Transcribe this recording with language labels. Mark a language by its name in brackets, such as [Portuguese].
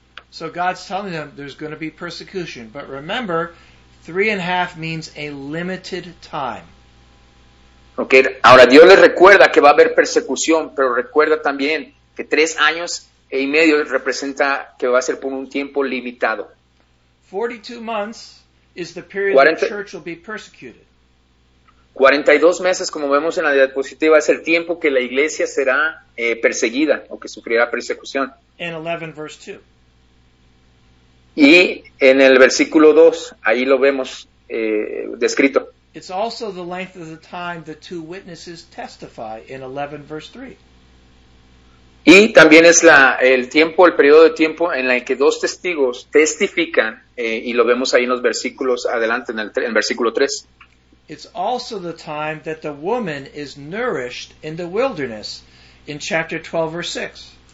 [English] So God's telling them there's going to be persecution. But remember, 3.5 means a limited time. Okay. [Spanish] Ahora Dios les recuerda que va a haber persecución, pero recuerda también que 3 años y medio representa que va a ser por un tiempo limitado. [English] 42 months is the period 40, the church will be persecuted. [Spanish] 42 meses, como vemos en la diapositiva, es el tiempo que la iglesia será perseguida o que sufrirá persecución. [English] In 11 verse 2. [Spanish] Y en el versículo 2, ahí lo vemos descrito. [English] It's also the length of the time the two witnesses testify in 11 verse 3. [Spanish] Y también es el periodo de tiempo en el que dos testigos testifican, y lo vemos ahí en los versículos adelante, en el versículo 3. [English] It's also the time that the woman is nourished in the wilderness in chapter 12 verse 6.